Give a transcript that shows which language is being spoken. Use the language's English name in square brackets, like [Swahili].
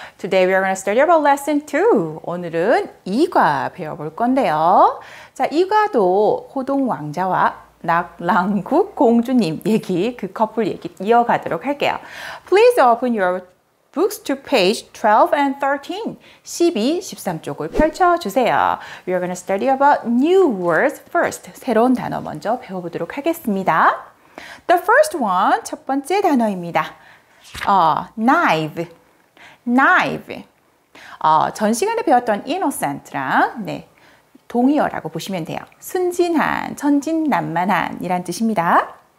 [English] Today we are going to study about lesson 2. [Korean] 오늘은 2과 배워볼 건데요. 자, 2과도 호동왕자와 낙랑국 공주님 얘기, 그 커플 얘기 이어가도록 할게요. [English] Please open your books to page 12 and 13. [Korean] 12, 13쪽을 펼쳐주세요. [English] We are going to study about new words first. [Korean] 새로운 단어 먼저 배워보도록 하겠습니다. [English] The first one, [Korean] 첫 번째 단어입니다. [English] Knife. Knife. [Korean] 전 시간에 배웠던 innocent랑 네, 동의어라고 보시면 돼요. 순진한, 천진난만한 이란 뜻입니다.